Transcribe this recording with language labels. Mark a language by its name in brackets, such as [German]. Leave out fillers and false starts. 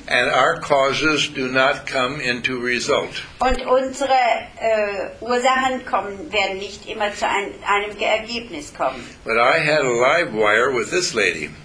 [English] And our causes do not come into result. [German] Und unsere Ursachen kommen, werden nicht immer zu einem Ergebnis kommen. [English] But I had a live wire with this lady.